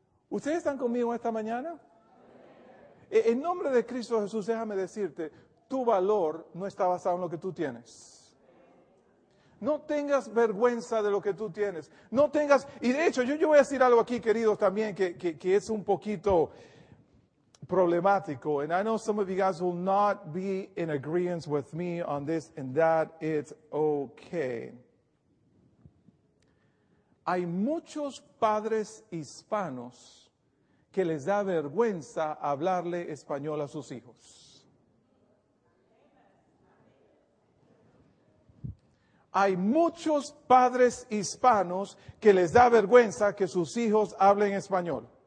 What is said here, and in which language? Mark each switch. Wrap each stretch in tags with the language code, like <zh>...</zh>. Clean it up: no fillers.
<es>¿Ustedes están conmigo esta mañana? En nombre de Cristo Jesús, déjame decirte, tu valor no está basado en lo que tú tienes. No tengas vergüenza de lo que tú tienes. No tengas, y de hecho, yo voy a decir algo aquí, queridos, también, que es un poquito problemático.</es> <en>And I know some of you guys will not be in agreement with me on this and that. It's okay.</en> <es>Hay muchos padres hispanos que les da vergüenza hablarle español a sus hijos. Hay muchos padres hispanos que les da vergüenza que sus hijos hablen español.</es>